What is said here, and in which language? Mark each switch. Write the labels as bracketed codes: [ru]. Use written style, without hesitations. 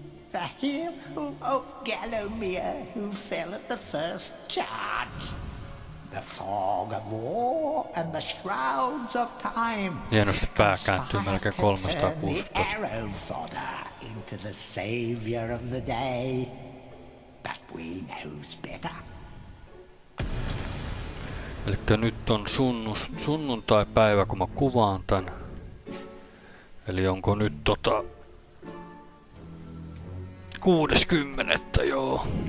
[en] The hero of Gallomir who fell at the first charge. The fog of war and the shrouds of time. [fi] Hienosti pää kääntyy melkein 360. [en] The arrow fodder into the savior of the day. But we knows better. [fi] Eli nyt on sunnuntaipäivä, kun mä kuvaan tän. Eli onko nyt 60. Joo.